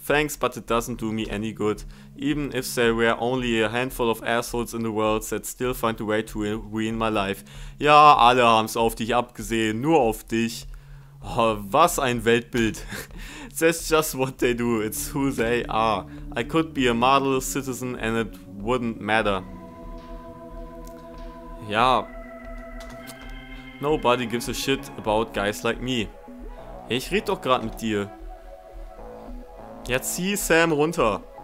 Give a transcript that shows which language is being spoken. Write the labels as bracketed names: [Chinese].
[English] Thanks, but it doesn't do me any good. Even if there were only a handful of assholes in the world that still find a way to ruin my life. [German] Ja, alle haben's auf dich abgesehen, nur auf dich. Oh, was ein Weltbild. [English] That's just what they do, it's who they are. I could be a model citizen and it wouldn't matter. Ja. Nobody gives a shit about guys like me. [German] Ich red doch gerade mit dir. Ja, zieh Sam runter.